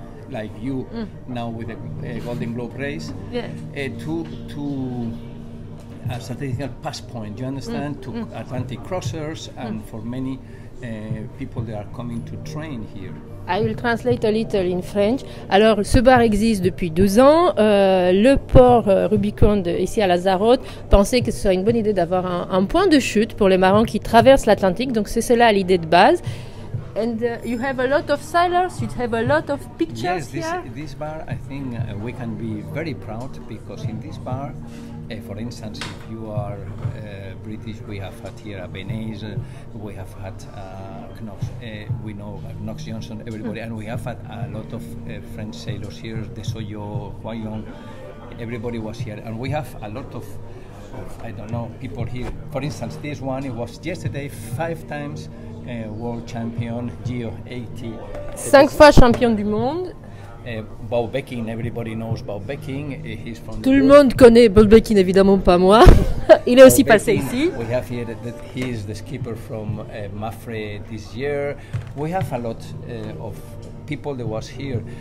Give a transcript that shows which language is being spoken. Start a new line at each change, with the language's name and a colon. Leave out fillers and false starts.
English: Like you now with the Golden Globe Race, yes. to a strategic passpoint, you understand, Atlantic crossers and for many people that are coming to train here. I will translate a little in French.
French: Alors, ce bar existe depuis 12 ans. Le port Rubicon, ici à Lanzarote, pensait que ce serait une bonne idée d'avoir un point de chute pour les marins qui traversent l'Atlantique. Donc, c'est cela l'idée de base.
English: And you have a lot of sailors, you have a lot of pictures. Yes, this bar, I think we can be very proud, because in this bar, for instance, if you are British, we have had here a Benaise, we have had Knox, we know Knox Johnson, everybody, and we have had a lot of French sailors here, De Soyo, Huayong, everybody was here, and we have a lot of, I don't know, people here. For instance, this one, it was yesterday 5 times world champion, Gio 80.
French: 5 fois champion du monde.
English: Bob Becking, everybody knows Bob Becking. He's from
French: tout le monde connaît Bob Becking, évidemment pas moi. Il est aussi passé ici.
English: We have here that he is the skipper from Mafre this year. We have a lot of people that was here.